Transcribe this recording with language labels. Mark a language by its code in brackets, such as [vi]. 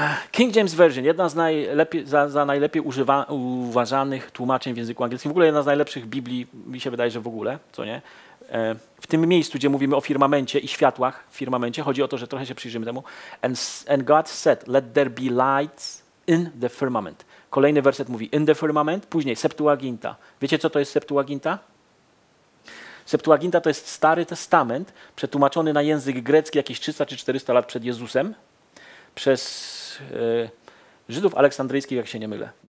[pl] King James Version, jedna z najlepiej, za najlepiej uważanych tłumaczeń w języku angielskim. W ogóle jedna z najlepszych Biblii, mi się wydaje, że w ogóle, co nie? W tym miejscu, gdzie mówimy o firmamencie i światłach w firmamencie, chodzi o to, że trochę się przyjrzymy temu. [en] And God said, let there be lights in the firmament. [pl] Kolejny werset mówi [en] in the firmament, [pl] później Septuaginta. Wiecie, co to jest Septuaginta? Septuaginta to jest Stary Testament przetłumaczony na język grecki jakieś 300 czy 400 lat przed Jezusem przez Żydów aleksandryjskich, jak się nie mylę.